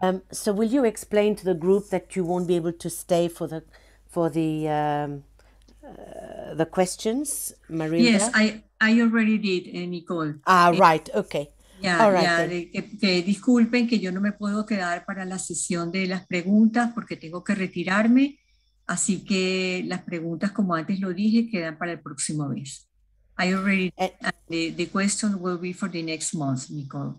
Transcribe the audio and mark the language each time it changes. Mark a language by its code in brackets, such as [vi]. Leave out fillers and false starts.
[en] So will you explain to the group that you won't be able to stay for the questions, Marilda? Yes, I already did, Nicole. Right, okay. Yeah, all right. [es] Yeah, que disculpen que yo no me puedo quedar para la sesión de las preguntas porque tengo que retirarme. Así que las preguntas, como antes lo dije, quedan para el próximo mes. [en] I already the question will be for the next month, Nicole.